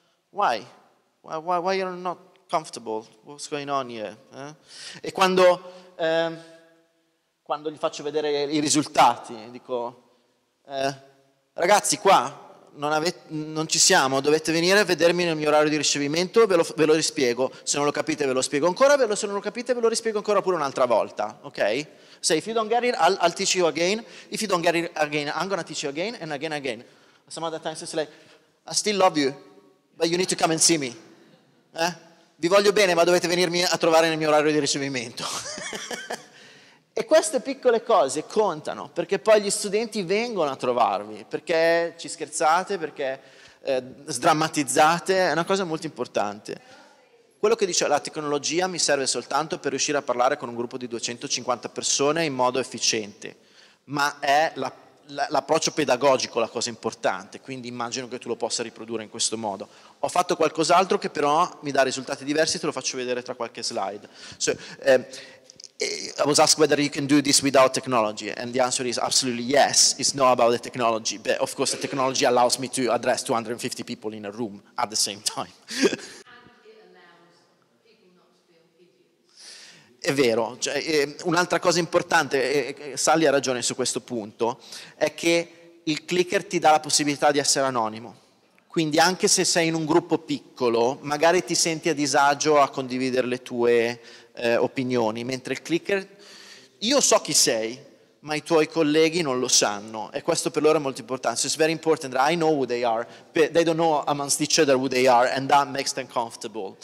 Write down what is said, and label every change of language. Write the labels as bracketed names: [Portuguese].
[English] Why you're not comfortable? What's going on here? [Italian] E quando gli faccio vedere i risultati, dico, ragazzi, qua non ci siamo, dovete venire a vedermi nel mio orario di ricevimento, ve lo rispiego. Se non lo capite, ve lo spiego ancora, se non lo capite, ve lo rispiego ancora pure un'altra volta, ok? [English] So if you don't get it, I'll teach you again. If you don't get it again, I'm gonna teach you again and again and again. Some other times it's like, I still love you, but you need to come and see me. [Italian] Vi voglio bene, ma dovete venirmi a trovare nel mio orario di ricevimento. E queste piccole cose contano, perché poi gli studenti vengono a trovarvi, perché ci scherzate, perché sdrammatizzate, è una cosa molto importante. Quello che dice la tecnologia mi serve soltanto per riuscire a parlare con un gruppo di 250 persone in modo efficiente, ma è l'approccio pedagogico la cosa importante, quindi immagino che tu lo possa riprodurre in questo modo. Ho fatto qualcos'altro che però mi dà risultati diversi, te lo faccio vedere tra qualche slide. [English] So, I was asked whether you can do this without technology, and the answer is absolutely yes. It's not about the technology, but of course the technology allows me to address 250 people in a room at the same time. [Italian] È vero, cioè, un'altra cosa importante, Sally ha ragione su questo punto, è che il clicker ti dà la possibilità di essere anonimo, quindi anche se sei in un gruppo piccolo, magari ti senti a disagio a condividere le tue opinioni, mentre il clicker, io so chi sei, ma i tuoi colleghi non lo sanno, e questo per loro è molto importante. [English] So it's very important that I know who they are, but they don't know amongst each other who they are, and that makes them comfortable.